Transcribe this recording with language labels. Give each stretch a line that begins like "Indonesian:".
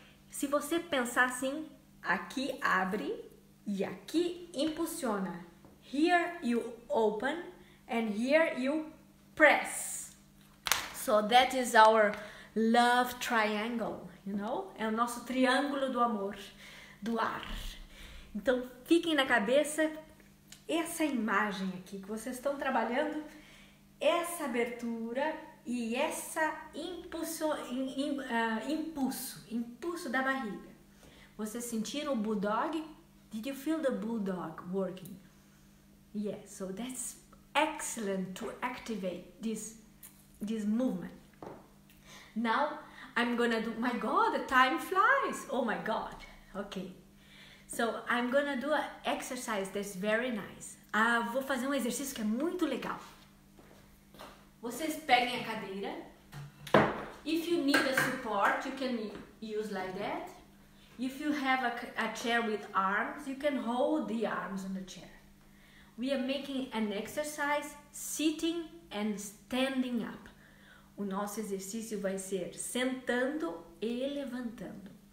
Portuguese: Se você pensar assim, aqui abre e aqui impulsiona.
English: Here you open and here you press. So that is our love triangle, you know?
Portuguese: É o nosso triângulo do amor, do ar. Então, fiquem na cabeça essa imagem aqui que vocês estão trabalhando, essa abertura e essa impulso da barriga. Você sentiu o bulldog?
English: Did you feel the bulldog working? Yes, so that's excellent to activate this movement. Now I'm gonna do, my god, the time flies. Oh my god. Okay. So I'm gonna do an exercise that's very nice.
Portuguese: Ah, vou fazer um exercício que é muito legal. Vocês peguem a cadeira.
English: If you need a support, you can use like that. If you have a chair with arms, you can hold the arms on the chair. We are making an exercise sitting and standing up.
Portuguese: O nosso exercício vai ser sentando e levantando.